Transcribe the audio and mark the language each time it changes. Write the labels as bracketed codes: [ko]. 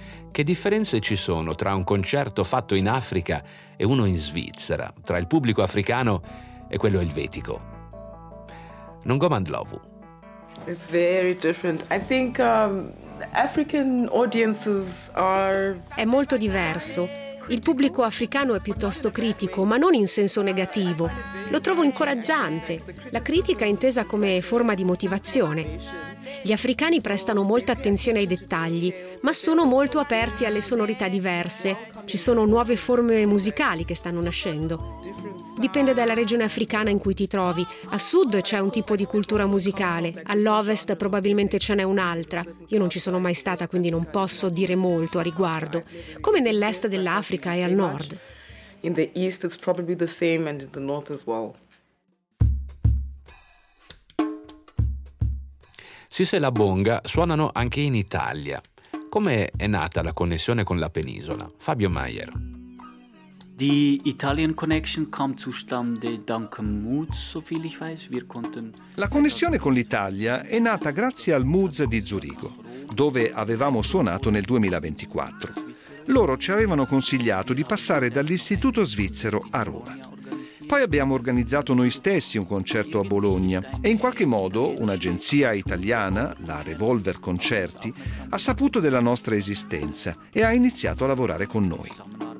[it] Che differenze ci sono tra un concerto fatto in Africa e uno in Svizzera, tra il pubblico africano e quello elvetico? Nongoman Dlovu. [en] It's very different. I think African audiences are... [it] È molto diverso. Il pubblico africano è piuttosto critico, ma non in senso negativo. Lo trovo incoraggiante. La critica è intesa come forma di motivazione. Gli africani prestano molta attenzione ai dettagli, ma sono molto aperti alle sonorità diverse. Ci sono nuove forme musicali che stanno nascendo. Dipende dalla regione africana in cui ti trovi. A sud c'è un tipo di cultura musicale, all'ovest probabilmente ce n'è un'altra. Io non ci sono mai stata, quindi non posso dire molto a riguardo. Come nell'est dell'Africa e al nord. [en] In the east it's probably the same and in the north as well. [it] Sisse e la Bonga suonano anche in Italia. Come è nata la connessione con la penisola? Fabio Maier. [de] Die Italian Connection kam zustande dank Muz, soviel ich weiß. Wir konnten... [it] La connessione con l'Italia è nata grazie al Muz di Zurigo, dove avevamo suonato nel 2024. Loro ci avevano consigliato di passare dall'Istituto Svizzero a Roma. Poi abbiamo organizzato noi stessi un concerto a Bologna e in qualche modo un'agenzia italiana, la Revolver Concerti, ha saputo della nostra esistenza e ha iniziato a lavorare con noi.